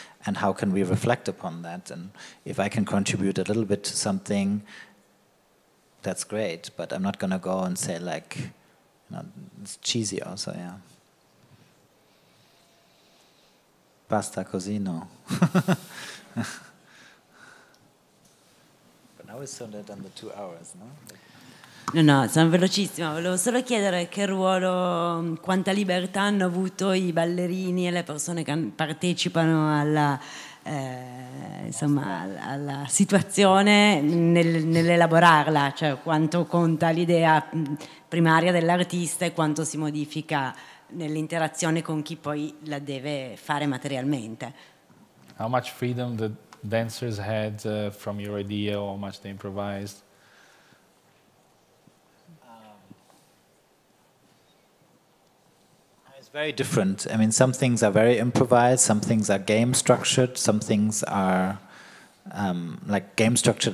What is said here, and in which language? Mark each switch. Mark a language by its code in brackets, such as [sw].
[en] And how can we reflect upon that? And if I can contribute a little bit to something, that's great, but I'm not going to go and say, like, you know, it's cheesy also, yeah. [it] Basta così, no. [en] But now we're still done the 2 hours, no? [it] No, no, sono velocissima. Volevo solo chiedere che ruolo, quanta libertà hanno avuto i ballerini e le persone che partecipano alla... insomma, alla situazione nell'elaborarla, cioè quanto conta l'idea primaria dell'artista e quanto si modifica nell'interazione con chi poi la deve fare materialmente. [en] How much freedom the dancers had from your idea, or how much they improvised? Very different. I mean, some things are very improvised, some things are game structured, some things are like game structured.